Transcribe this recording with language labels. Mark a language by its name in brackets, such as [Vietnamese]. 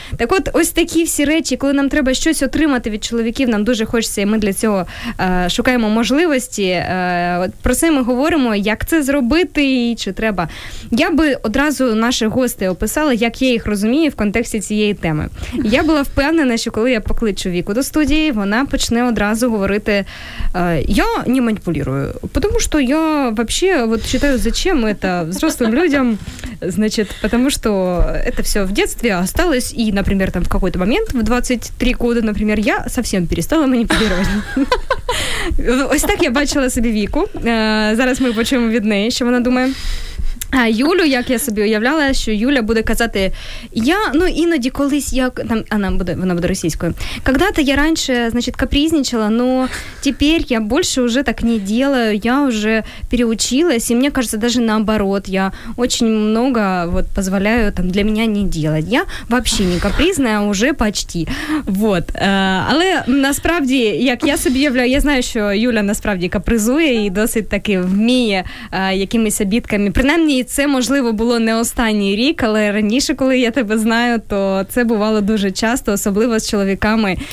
[Ukrainian] Так от, ось такі всі речі, коли нам треба щось отримати від чоловіків, нам дуже хочеться, і ми для цього шукаємо можливості. Про це ми говоримо, як це зробити і чи треба. Я би одразу наших гостей описала, як я їх розумію в контексті цієї теми. Я була впевнена, що коли я покличу Віку до студії, вона почне одразу говорити, я не маніпулюю, тому що [Russian] я вообще, вот считаю, зачем это взрослым людям, значит, потому что это все в детстве осталось, и, например, там в какой-то момент, в 23 года, например, я совсем перестала манипулировать. [Ukrainian] Ось так я бачила собі Віку. Зараз ми почуємо від неї, що вона думає. А Юлю, як я собі уявляла, що Юля буде казати, я, ну, іноді колись, як, там, вона буде російською. [Russian] Когда-то я раньше, значит, капризничала, но теперь я больше уже так не делаю, я уже переучилась, и мне кажется, даже наоборот, я очень много вот позволяю там для меня не делать. Я вообще не капризная, а уже почти. Вот. [Ukrainian] Але насправді, як я собі уявляю, я знаю, що Юля насправді капризує і досить таки вміє якимись обідками. Принаймні, і це, можливо, було не останній рік, але раніше, коли я тебе знаю, то це бувало дуже часто, особливо з чоловіками.